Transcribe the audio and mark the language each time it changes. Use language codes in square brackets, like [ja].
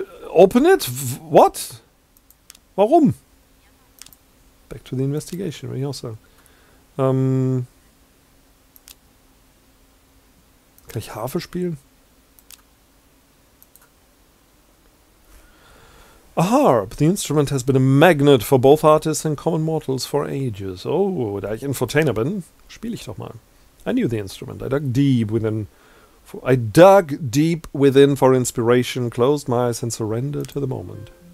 [en] Open it? What? Warum? Back to the investigation, we also. [de] Kann ich Harfe spielen? [en] A harp. The instrument has been a magnet for both artists and common mortals for ages. [de] Oh, da ich Infotainer bin, spiele ich doch mal. [en] I knew the instrument. I dug deep within for inspiration, closed my eyes and surrendered to the moment.